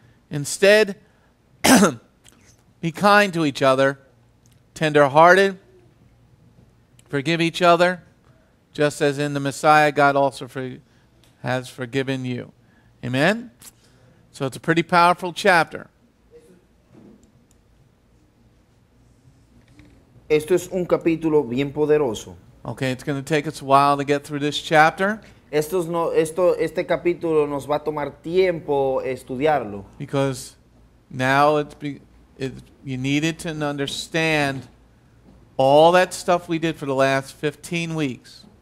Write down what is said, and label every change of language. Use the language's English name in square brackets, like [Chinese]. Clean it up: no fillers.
[English] Instead, be kind to each other, tender-hearted, forgive each other, just as in the Messiah God also has forgiven you. Amen? So it's a pretty powerful chapter. [Spanish] Esto es un capítulo bien poderoso. [English] Okay, it's going to take us a while to get through this chapter. [Spanish] Este capítulo nos va a tomar tiempo estudiarlo. [English] Because now you needed to understand all that stuff we did for the last 15 weeks.